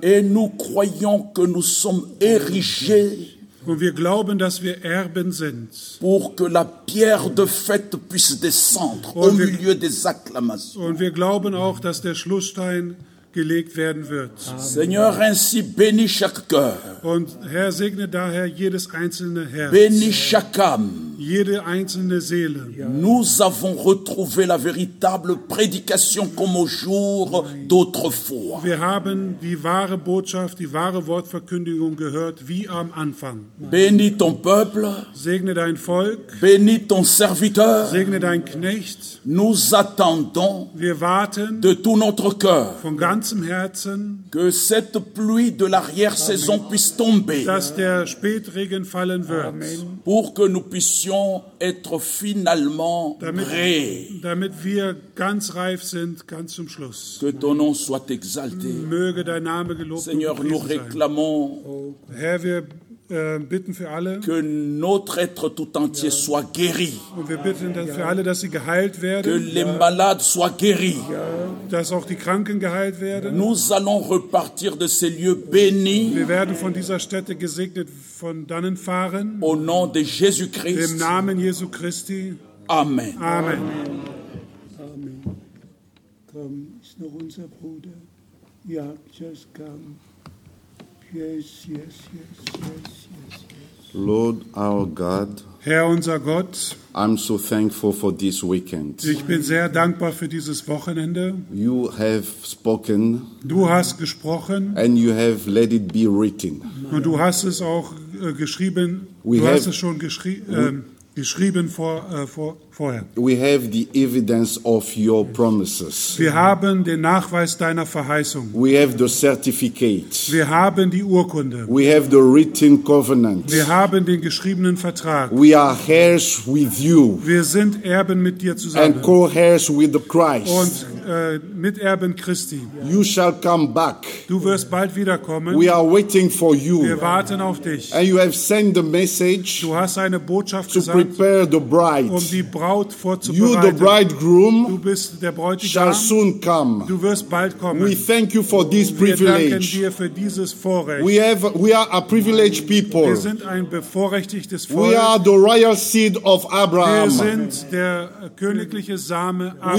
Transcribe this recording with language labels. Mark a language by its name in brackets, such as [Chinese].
[French] Et nous croyons que nous sommes érigés. [German] Und wir glauben, dass wir Erben sind. [French] Pour que la pierre de fête puisse descendre au milieu des acclamations. [German] Und wir glauben auch, dass der Schlussstein gelegt werden wird. [French] Seigneur, ainsi bénis chaque cœur. [German] Und Herr, segne daher jedes einzelne Herz. [French] Bénis chaque âme. [German] Jede einzelne Seele. [French] Nous avons retrouvé la véritable prédication comme au jour d'autrefois. [German] Wir haben die wahre Botschaft, die wahre Wortverkündigung gehört, wie am Anfang. [French] Bénis ton peuple. [German] Segne dein Volk. [French] Bénis ton serviteur. [German] Segne dein Knecht. [French] Nous attendons. [German] Wir warten. [French] De tout notre cœur. [German] Von ganzem Herzen. [French] Que cette pluie de l'arrière-saison puisse tomber. [German] Dass der Spätregen fallen wird. Amen. [French] Pour que nous puissions être finalement [German] damit wir ganz reif sind, ganz zum Schluss. [French] Que ton nom soit exalté. [German] Möge dein Name gelobt sein. [French] Seigneur, nous réclamons, [German] Herr, wir bitten für alle, [French] que notre être tout entier soit guéri. [German] Und wir bitten für alle, dass sie geheilt werden. [French] Que les malades soient guéris. [German] Dass auch die Kranken geheilt werden. [French] Nous allons repartir de ces lieux bénis. [German] Wir werden von dieser Stätte gesegnet von dannen fahren. [French] Au nom de Jésus Christ. [German] Im Namen Jesu Christi. Amen. Amen. Amen. Komm, ist noch unser Bruder. [English] Ja, just come. Yes, yes, yes, yes, yes. Lord our God. [German] Herr unser Gott. [English] I'm so thankful for this weekend. [German] Ich bin sehr dankbar für dieses Wochenende. [English] You have spoken. [German] Du hast gesprochen. [English] And you have let it be written. [German] Und du hast es auch geschrieben. We du have, hast es schon geschrieben vorher. [English] We have the evidence of your promises. [German] Wir haben den Nachweis deiner Verheißung. [English] We have the certificate. [German] Wir haben die Urkunde. [English] We have the written covenant. [German] Wir haben den geschriebenen Vertrag. [English] We are heirs with you. [German] Wir sind Erben mit dir zusammen. [English] And co-heirs with the Christ. [German] Und Miterben Christi. [English] You shall come back. [German] Du wirst bald wiederkommen. [English] We are waiting for you. [German] Wir warten auf dich. [English] And you have sent the message. [German] Du hast eine Botschaft [English] to [German] gesagt. [English] To prepare the bride. [German] Um die Braut vorzubereiten. [English] You, the bridegroom, [German] du bist der Bräutigam. [English] Shall soon come. [German] Du wirst bald kommen. [English] We thank you for this privilege. [German] Wir danken dir für dieses Vorrecht. [English] We are a privileged people. [German] Wir sind ein bevorrechtigtes Volk. [English] We are the royal seed of Abraham. [German] Wir sind der königliche Same Abraham.